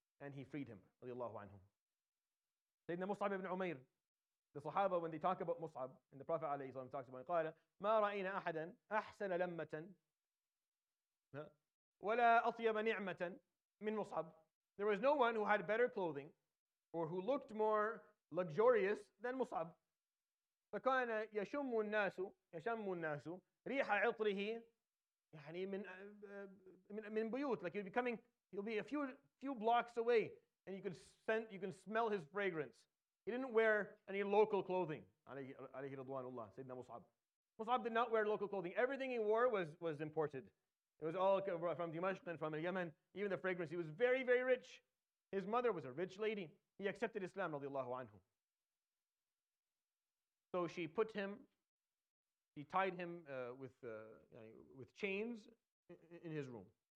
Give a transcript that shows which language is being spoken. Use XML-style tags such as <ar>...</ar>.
<en>And he freed him, radiallahu anhu. Sayyidina Mus'ab ibn Umair, the Sahaba, when they talk about Mus'ab, and the Prophet alayhi salam talks about him,</en> <ar>ما رأينا أحدا أحسن لمة ولا أطيب نعمة من مصعب.</ar> <en>There was no one who had better clothing or who looked more luxurious than Mus'ab.</en> <ar>فكان يشم الناس ريح عطره يعني من بيوت.</ar> <en>Like he'll be coming, he'll be a few blocks away and you can smell his fragrance. He didn't wear any local clothing.</en> <ar>عليه رضوان الله سيدنا مصعب.</ar> <en>Mus'ab did not wear local clothing. Everything he wore was imported. It was all from Dimashq and from Yemen. Even the fragrance. He was very, very rich. His mother was a rich lady. He accepted Islam, radiallahu anhu. So she put him, she tied him with chains in his room.</en>